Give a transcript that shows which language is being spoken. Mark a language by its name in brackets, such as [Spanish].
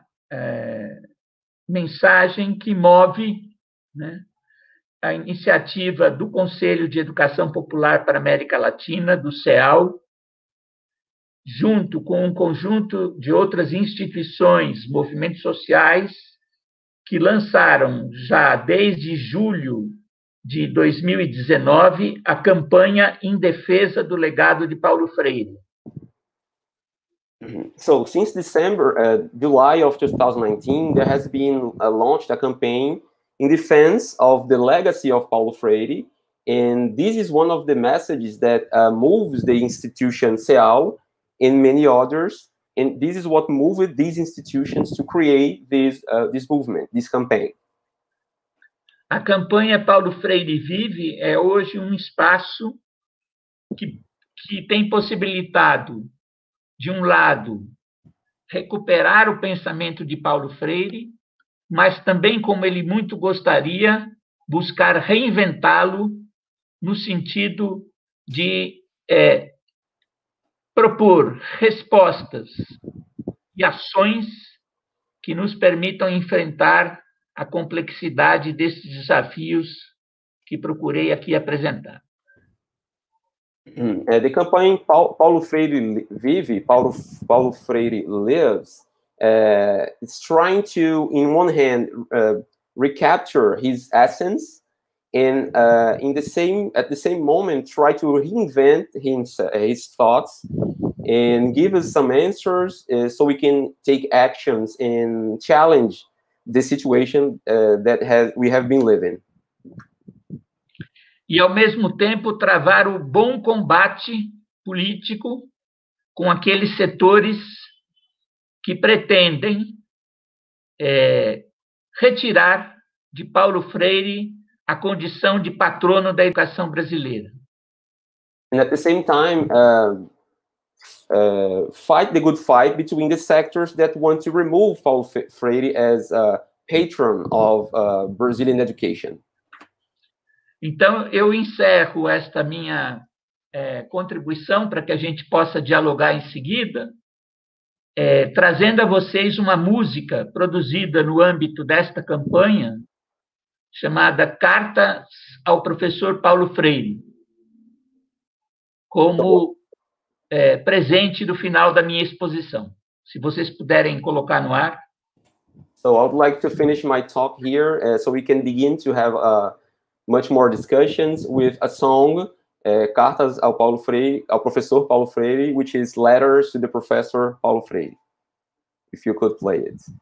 [Portuguese] Esta é a mensagem que move, né, a iniciativa do Conselho de Educação Popular para a América Latina, do CEAL, junto com um conjunto de outras instituições, movimentos sociais, que lançaram já desde julho de 2019 a campanha em defesa do legado de Paulo Freire. [English] So, since December, July of 2019, there has been launched a campaign in defense of the legacy of Paulo Freire, and this is one of the messages that moves the institution CEAL and many others, and this is what moved these institutions to create this movement, this campaign. [Portuguese] A campanha Paulo Freire Vive é hoje um espaço que tem possibilitado, de um lado, recuperar o pensamento de Paulo Freire, mas também, como ele muito gostaria, buscar reinventá-lo no sentido de propor respostas e ações que nos permitam enfrentar a complexidade desses desafios que procurei aqui apresentar. [English] The campaign Paulo Freire Vive, Paulo Freire Lives, is trying to, in one hand, recapture his essence, and at the same moment, try to reinvent his thoughts and give us some answers so we can take actions and challenge the situation that we have been living. [Portuguese] E, ao mesmo tempo, travar o bom combate político com aqueles setores que pretendem retirar de Paulo Freire a condição de patrono da educação brasileira. [English] And at the same time, fight the good fight between the sectors that want to remove Paulo Freire as a patron of Brazilian education. [Portuguese] Então, eu encerro esta minha contribuição para que a gente possa dialogar em seguida, trazendo a vocês uma música produzida no âmbito desta campanha, chamada Cartas ao Professor Paulo Freire, como presente do final da minha exposição. Se vocês puderem colocar no ar. [English] So, I would like to finish my talk here, so we can begin to have a much more discussions with a song, Cartas ao Paulo Freire, ao Professor Paulo Freire, which is Letters to the Professor Paulo Freire, if you could play it.